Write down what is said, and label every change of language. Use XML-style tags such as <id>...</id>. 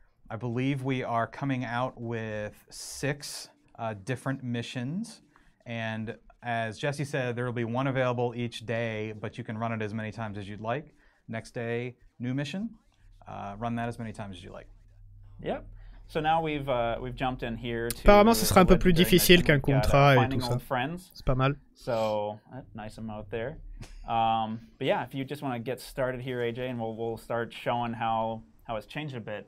<en>I believe we are coming out with 6 different missions, and as Jesse said, there will be one available each day, but you can run it as many times as you'd like. Next day, new mission, run that as many times as you like. Yep. So now we've jumped in here to.</en> <fr>Apparemment, ce sera un peu plus difficile qu'un contrat et tout ça. C'est pas mal.</fr> <en>So nice emote there. but yeah, if you just want to get started here, AJ, and we'll start showing how it's changed a bit.</en>